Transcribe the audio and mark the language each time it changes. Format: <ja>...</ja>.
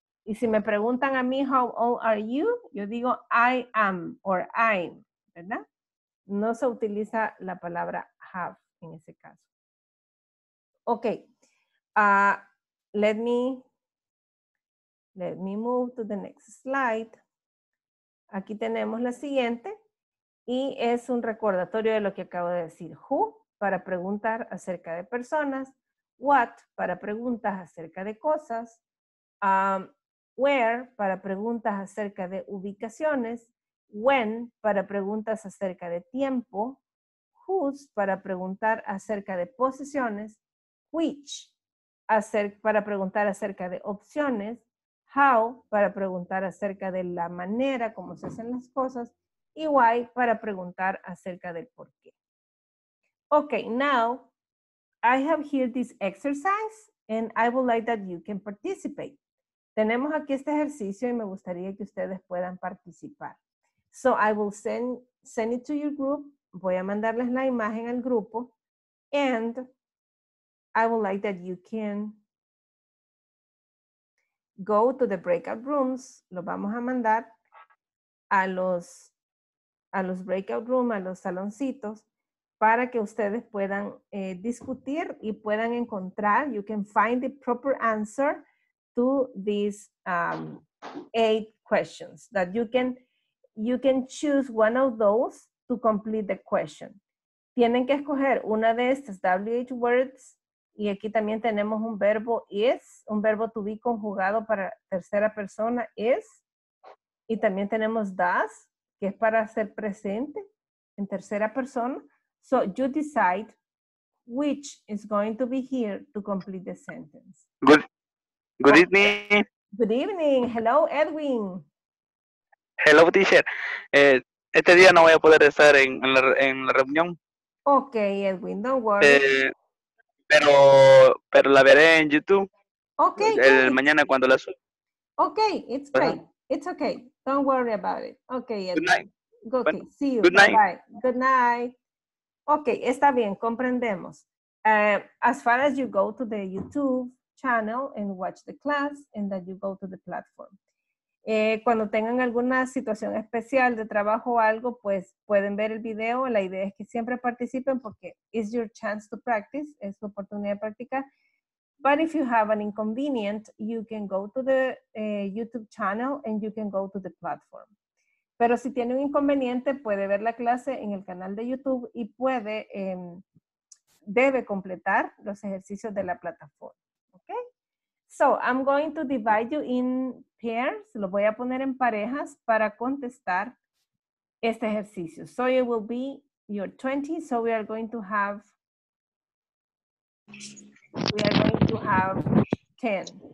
<es>Y si me preguntan a mí,</es> <en>how old are you?</en> <es>Yo digo,</es> <en>I am, or I'm,</en> <es>¿verdad? No se utiliza la palabra have en ese caso.</es> <en>Ok, let me move to the next slide.</en> <es>Aquí tenemos la siguiente. Y es un recordatorio de lo que acabo de decir. Who, para preguntar acerca de personas. What, para preguntas acerca de cosas. Where, para preguntas acerca de ubicaciones. When, para preguntas acerca de tiempo. Whose, para preguntar acerca de posiciones. Which, para preguntar acerca de opciones. How, para preguntar acerca de la manera como se hacen las cosas. Y why, para preguntar acerca del por qué.</es> <en>Okay, now, I have here this exercise, and I would like that you can participate.</en> <es>Tenemos aquí este ejercicio y me gustaría que ustedes puedan participar.</es> <en>So I will send it to your group.</en> <es>Voy a mandarles la imagen al grupo.</es> <en>And I would like that you can go to the breakout rooms.</en> <es>Lo vamos a mandar a los breakout rooms, a los saloncitos, para que ustedes puedan discutir y puedan encontrar,</es> <en>you can find the proper answer to these 8 questions, that you can choose one of those to complete the question.</en> <es>Tienen que escoger una de estas WH words, y aquí también tenemos un verbo is, un verbo to be conjugado para tercera persona is, y también tenemos does, que es para ser presente en tercera persona.</es> <en>So you decide which is going to be here to complete the sentence. Good evening. Good evening. Hello, Edwin. Hello, teacher.</en> <es>Este día no voy a poder estar en la reunión.</es> <en>Ok, Edwin, don't worry.</en> <es>Pero la veré en YouTube. Ok. Mañana cuando la suba.</es> <en>Ok, it's great. It's okay. Don't worry about it. Okay. Good night. Okay. Bueno, see you. Good night. Bye-bye. Good night. Okay.</en> <es>Está bien. Comprendemos.</es> <en>As far as you go to the YouTube channel and watch the class and that you go to the platform.</en> <es>Cuando tengan alguna situación especial de trabajo o algo, pues pueden ver el video. La idea es que siempre participen porque</es> <en>it's your chance to practice.</en> <es>Es su oportunidad de practicar.</es> <en>But if you have an inconvenience, you can go to the YouTube channel and you can go to the platform.</en> <es>Pero si tiene un inconveniente, puede ver la clase en el canal de YouTube y puede, debe completar los ejercicios de la plataforma. Okay?</es> <en>So, I'm going to divide you in pairs.</en> <es>Lo voy a poner en parejas para contestar este ejercicio.</es> <en>So, it will be your 20. So, we are going to have... We are going to have 10.</en>